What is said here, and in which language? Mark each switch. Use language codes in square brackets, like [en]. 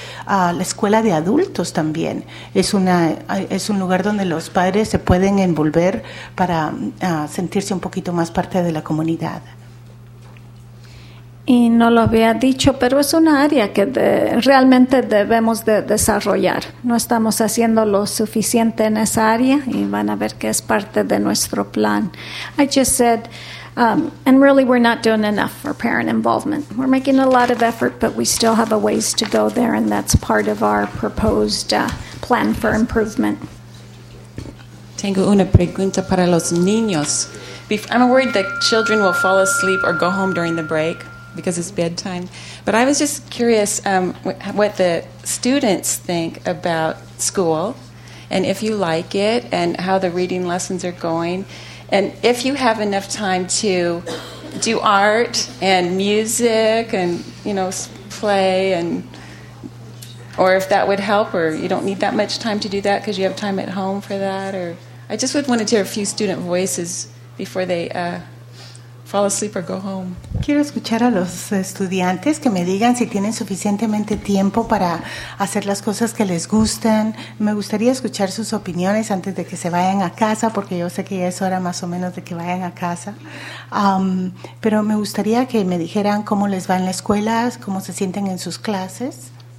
[es] La escuela de adultos también es un lugar donde los padres se pueden envolver para sentirse un poquito más parte de la comunidad. Y no lo había dicho, pero es una área que realmente debemos de desarrollar. No estamos haciendo lo suficiente en esa área y van a ver que es parte de nuestro plan. [en] I just said, and really we're not doing enough for parent involvement. We're making a lot of effort, but we still have a ways to go there, and that's part of our proposed plan for improvement. [es] Tengo una pregunta para los niños. [en] I'm worried that children will fall asleep or go home during the break because it's bedtime. But I was just curious what the students think about school and if you like it and how the reading lessons are going. And if you have enough time to do art and music and, you know, play and, or if that would help, or you don't need that much time to do that because you have time at home for that. Or I just would want to hear a few student voices before they fall asleep or go home. [es] Quiero escuchar a los estudiantes que me digan si tienen suficientemente tiempo para hacer las cosas que les gustan. Me gustaría escuchar sus opiniones antes de que se vayan a casa, porque yo sé que ya es hora más o menos de que vayan a casa. Pero me gustaría que me dijeran cómo les va en la escuela, cómo se sienten en sus clases.